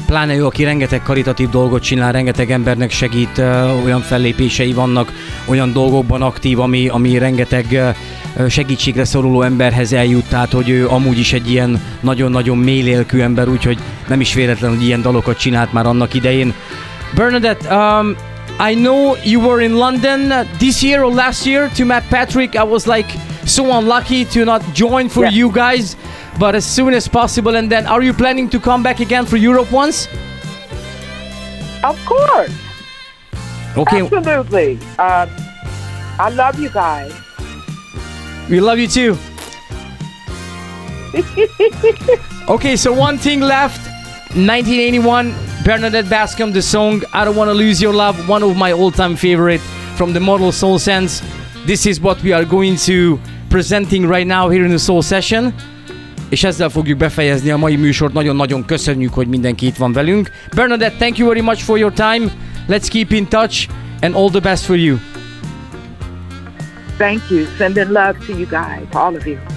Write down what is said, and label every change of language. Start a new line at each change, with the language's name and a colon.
Hungarian: Pláne jó, aki rengeteg karitatív dolgot csinál, rengeteg embernek segít, olyan fellépései vannak, olyan dolgokban aktív, ami rengeteg segítségre szoruló emberhez eljut, tehát hogy ő amúgy is egy ilyen nagyon-nagyon mély lélkű ember, úgyhogy nem is véletlen, hogy ilyen dalokat csinált már annak idején.
English: Bernadette, I know you were in London this year or last year to meet Patrick. I was like so unlucky to not join for you guys, but as soon as possible. And then are you planning to come back again for Europe once? Of course. Okay. Absolutely. I love you guys. We love you too. Okay, so one thing left. 1981, Bernadette Bascom, the song I Don't Wanna Lose Your Love, one of my all-time favorite from the Model Soul Sense. This is what we are going to presenting right now here in the Soul Session.
Hungarian: És ezzel fogjuk befejezni a mai műsort. Nagyon-nagyon köszönjük, hogy mindenki itt van velünk.
English: Bernadette, thank you very much for your time. Let's keep in touch and all the best for you. Thank you. Sending love to you guys, all of you.